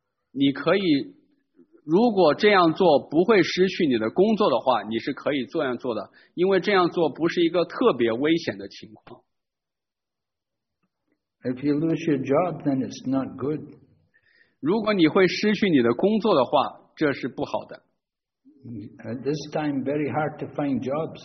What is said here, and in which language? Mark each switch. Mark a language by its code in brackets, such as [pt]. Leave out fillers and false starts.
[zh] 你可以如果这样做不会失去你的工作的话，你是可以这样做的，因为这样做不是一个特别危险的情况。 [en] If you lose your job, then it's not good. [zh] 如果你会失去你的工作的话，这是不好的。 [en] At this time, very hard to find jobs.